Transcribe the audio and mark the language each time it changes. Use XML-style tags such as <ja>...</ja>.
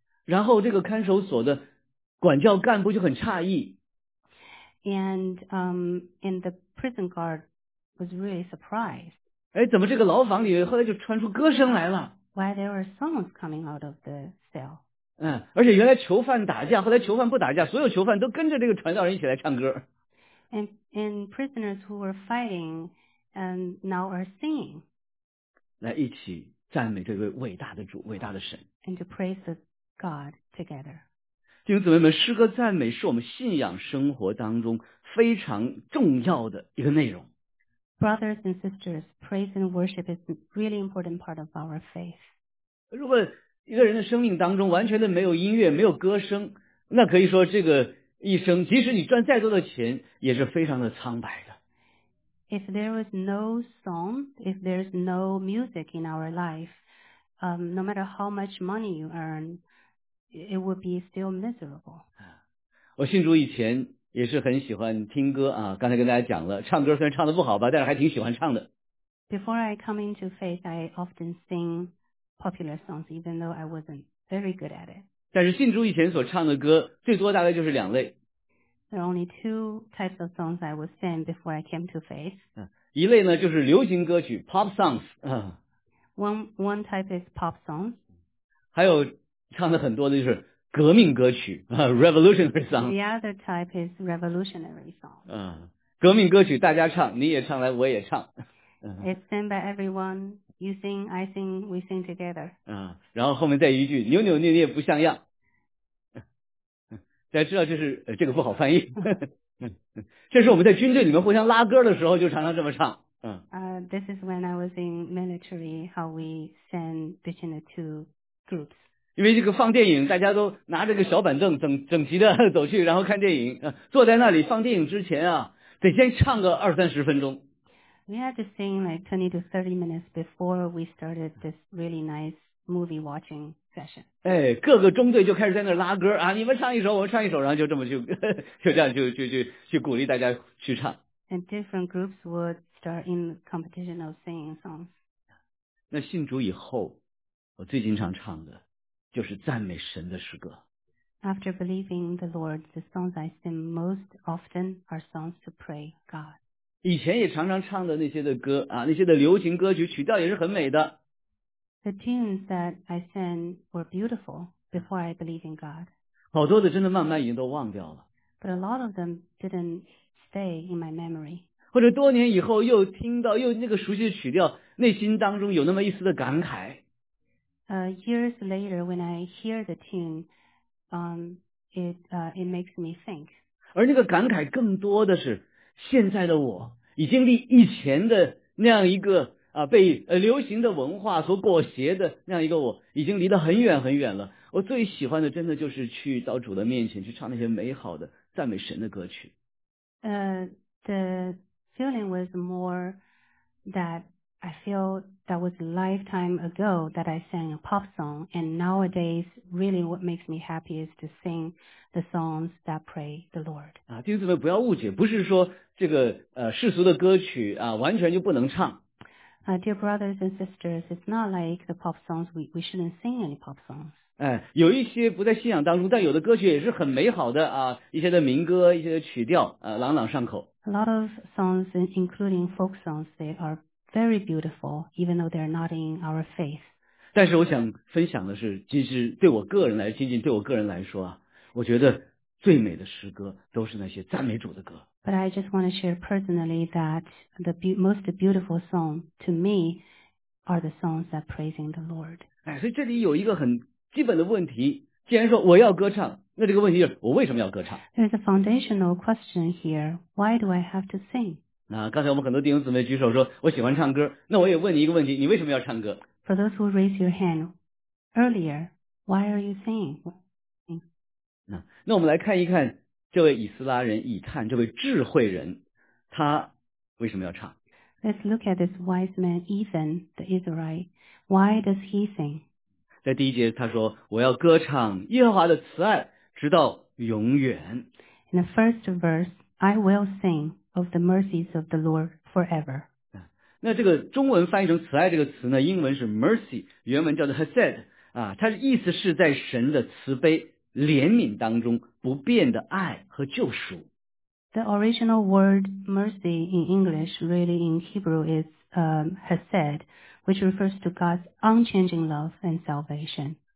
<zh>然后这个看守所的管教干部就很诧异。</zh> <en>And the prison guard was really surprised.</en> <zh>哎，怎么这个牢房里后来就传出歌声来了？</zh> <en>Why there were songs coming out of the cell?</en> <zh>而且原来囚犯打架，后来囚犯不打架，所有囚犯都跟着这个传道人一起来唱歌。</zh> <en>And prisoners who were fighting and now are singing.</en> <zh>来一起赞美这位伟大的主，伟大的神。</zh> <en>And to praise the God together.</en> <zh>弟兄姊妹们，诗歌赞美是我们信仰生活当中非常重要的一个内容。</zh> <en>Brothers and sisters, praise and worship is a really important part of our faith.</en> <zh>如果一个人的生命当中完全的没有音乐，没有歌声，那可以说这个一生，即使你赚再多的钱，也是非常的苍白的。</zh> <en>If there was no song, if there's no music in our life, no matter how much money you earn, it would be still miserable.</en> <zh>我信主以前也是很喜欢听歌啊，刚才跟大家讲了，唱歌虽然唱得不好吧，但是还挺喜欢唱的。</zh> <en>Before I come into faith, I often sing popular songs, even though I wasn't very good at it.</en> <zh>但是信主以前所唱的歌，最多大概就是两类。</zh> <en>There are only two types of songs I would sing before I came to faith.</en> <zh>一类呢就是流行歌曲 ,</zh> <en>pop songs. One type is pop songs.</en> <zh>还有唱的很多的就是革命歌曲 ,</zh> <en>revolutionary songs. The other type is revolutionary songs.</en> <zh>革命歌曲大家唱，你也唱来我也唱。</zh> <en>It's sung by everyone. You sing, I sing, we sing together.</en> <zh>然后后面再一句扭扭捏捏不像样。大家知道就是这个不好翻译。这是我们在军队里面互相拉歌的时候就常常这么唱。</zh> <en>This is when I was in military, how we send between the two groups.</en> <zh>因为这个放电影，大家都拿着个小板凳，整齐的走去，然后看电影。坐在那里放电影之前啊，得先唱个二三十分钟。</zh> <en>We had to sing like 20 to 30 minutes before we started this really nice movie watching session.</en> <zh>哎，各个中队就开始在那拉歌啊，你们唱一首，我们唱一首，然后就这么去，就这样去鼓励大家去唱。</zh> <en>And different groups would start in competition of singing songs.</en> <zh>那信主以后，我最经常唱的就是赞美神的诗歌。</zh> <en>After believing the Lord, the songs I sing most often are songs to pray God.</en> <zh>以前也常常唱的那些的歌啊，那些的流行歌曲曲调也是很美的。</zh> <en>The tunes that I sang were beautiful before I believed in God.</en> <zh>好多的真的慢慢已经都忘掉了。</zh> <en>But a lot of them didn't stay in my memory.</en> <zh>或者多年以后又听到又那个熟悉的曲调，内心当中有那么一丝的感慨。</zh> <en>Years later, when I hear the tune, it makes me think.</en> <zh>而那个感慨更多的是，现在的我已经离以前的那样一个啊被流行的文化所裹挟的那样一个我，已经离得很远很远了。我最喜欢的真的就是去到主的面前去唱那些美好的赞美神的歌曲。</zh> <en>The feeling was more that. I feel that was a lifetime ago that I sang a pop song, and nowadays, really what makes me happy is to sing the songs that pray the Lord.</en> <zh>啊，弟兄姊妹不要误解，不是说这个世俗的歌曲啊完全就不能唱。</zh> <en>Dear brothers and sisters, it's not like the pop songs, we shouldn't sing any pop songs.</en> <zh>哎，有一些不在信仰当中，但有的歌曲也是很美好的啊，一些的民歌，一些的曲调啊，朗朗上口。</zh> <en>A lot of songs, including folk songs, they are very beautiful, even though they're not in our faith.</en> <zh>但是我想分享的是，其实对我个人来，仅仅对我个人来说啊，我觉得最美的诗歌都是那些赞美主的歌。</zh> <en>But I just want to share personally that the most beautiful song to me are the songs that praising the Lord.</en> <zh>哎，所以这里有一个很基本的问题，既然说我要歌唱，那这个问题就是我为什么要歌唱？</zh> <en>There's a foundational question here. Why do I have to sing?</en> <zh>那刚才我们很多弟兄姊妹举手说我喜欢唱歌，那我也问你一个问题，你为什么要唱歌？</zh> <en>For those who raise your hand earlier, why are you singing?</en> <zh>那我们来看一看这位以斯拉人以探，这位智慧人，他为什么要唱？</zh> <en>Let's look at this wise man Ethan, the Israelite. Why does he sing?</en> <zh>在第一节他说，我要歌唱耶和华的慈爱直到永远。</zh> <en>In the first verse, I will singOf the mercies of the Lord forever.</en> <zh>那这个中文翻译成慈爱这个词呢，英文是 mercy， 原文叫做 hesed 啊，它的意思是在神的慈悲怜悯当中不变的爱和救赎。</zh> <en>The original word mercy in English, really in Hebrew, is hesed, which refers to God's unchanging love and salvation.</en>